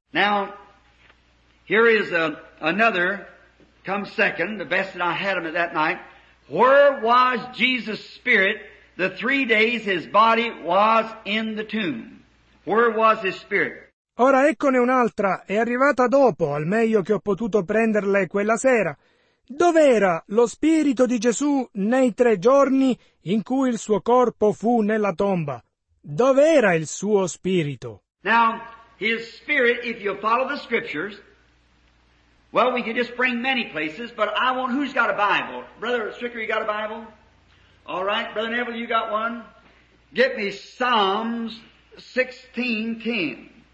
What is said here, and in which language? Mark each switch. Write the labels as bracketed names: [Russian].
[English] Now, here is another, come second, the best that I had of it that night. Where was Jesus' spirit the 3 days his body was in the tomb? Where was his spirit? [Italian] Ora eccone un'altra, è arrivata dopo, al meglio che ho potuto prenderle quella sera. Dov'era lo spirito di Gesù nei 3 giorni in cui il suo corpo fu nella tomba? Dov'era il suo spirito? [English] Now, his spirit, if you follow the scriptures, well, we could just bring many places, but I want, who's got a Bible? Brother Stricker, you got a Bible? All right. Brother Neville, you got one? Get me Psalms 16:10.